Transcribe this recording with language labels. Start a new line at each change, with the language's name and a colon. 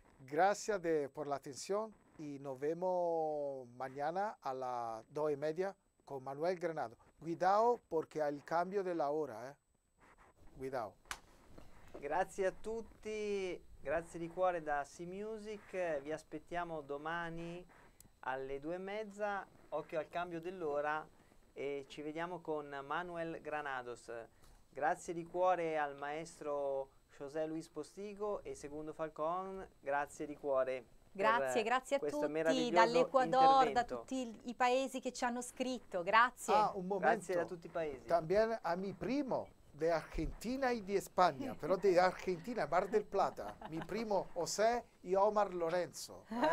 Spanish: Gracias por la atención, y nos vemos mañana a las 2:30 con Manuel Granado. Cuidado, porque hay el cambio de la hora. Cuidado.
Italian: Grazie a tutti, grazie di cuore da C-Music, vi aspettiamo domani alle 2:30, occhio al cambio dell'ora, e ci vediamo con Manuel Granados. Grazie di cuore al maestro José Luis Postigo e Segundo Falcón, grazie di cuore. Grazie, grazie a tutti, dall'Ecuador, da tutti i paesi che ci hanno scritto, grazie. Ah, un momento. Grazie da tutti i paesi.
Spanish: También a mi primo de Argentina y de España, pero de Argentina, Mar del Plata, mi primo José y Omar Lorenzo.